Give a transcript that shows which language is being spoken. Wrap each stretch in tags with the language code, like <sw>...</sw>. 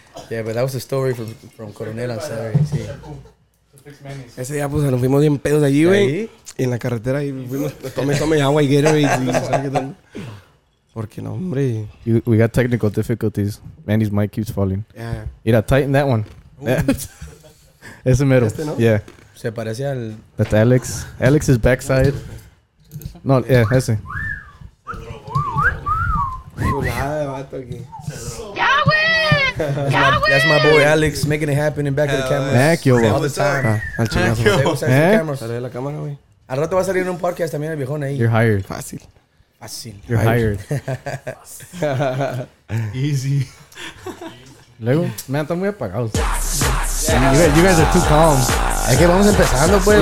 <en>Yeah, but that was the story from Coronel, I'm sorry.</en> <es>Sí. Ese día, pues, nos fuimos bien pedos de allí, güey. Y en la carretera, y fuimos, tomé agua y guero. Y ¿sabes qué tal? Porque no, hombre.</es> <en>We got technical difficulties. Manny's mic keeps falling. Yeah.</en> <es>Mira,</es> <en>tighten that one.</en> <es>Ese mero. ¿Este no?</es> <en>Yeah.</en> <es>Se parece al...</es> <en>That's Alex. Alex's backside. No, yeah,</en> <es>ese. Chulada de vato aquí. ¡Ya, güey!</es> <en>That's my boy Alex making it happen in back of the cameras. Thank you, all the time.</en> <es>Al chingazo. Sale de la cámara, güey. Al rato va a salir en un podcast también el viejón ahí.</es> <en>You're hired.</en> <es>Fácil.</es> <en>You're hired. Easy.</en> <es>Luego, man, están muy apagados.</es> <en>You guys are too calm.</en> <es>Es que vamos empezando, pues.</es>